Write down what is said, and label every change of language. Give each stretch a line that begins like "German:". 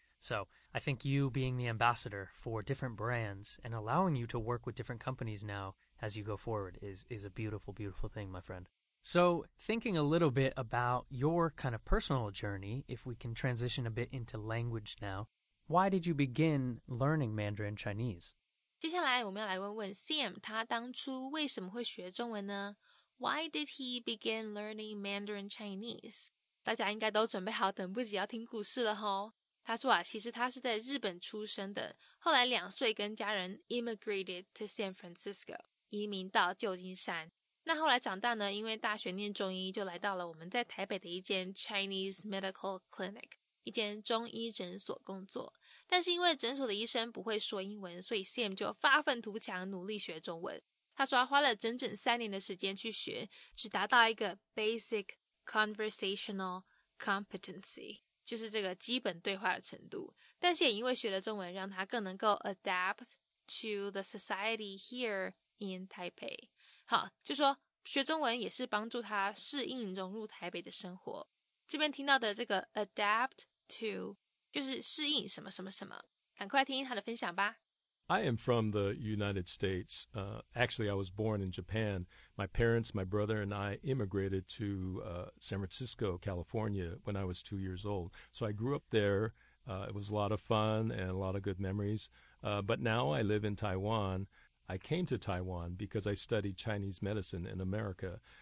English: So I think you being the ambassador for different brands and allowing you to work with different companies now as you go forward is a beautiful, beautiful thing, my friend. So thinking a little bit about your kind of personal journey, if we can transition a bit into language now, why did you begin learning Mandarin Chinese?
Chinese: 接下来我们要来问问 Sam, 他当初为什么会学中文呢?
English: Why did he begin learning Mandarin Chinese?
Chinese: 大家应该都准备好等不及要听故事了吼。他说啊，其实他是在日本出生的，后来两岁跟家人
English: immigrated to San Francisco,
Chinese: 移民到旧金山。那后来长大呢，因为大学念中医，就来到了我们在台北的一间
English: Chinese Medical Clinic,
Chinese: 一间中医诊所工作。但是因为诊所的医生不会说英文，所以 Sam 就发愤图强，努力学中文。他说他花了整整三年的时间去学，只达到一个
English: basic conversational competency。
Chinese: 就是这个基本对话的程度，但是也因为学了中文，让他更能够
English: adapt to the society here in Taipei。
Chinese: 好，就说学中文也是帮助他适应融入台北的生活。这边听到的这个
English: adapt to
Chinese: 就是适应什么什么什么，赶快听他的分享吧。
English: I am from the United States. Actually, I was born in Japan. My parents, my brother, and I immigrated to San Francisco, California, when I was 2 years old. So I grew up there. It was a lot of fun and a lot of good memories. But now I live in Taiwan. I came to Taiwan because I studied Chinese medicine in America.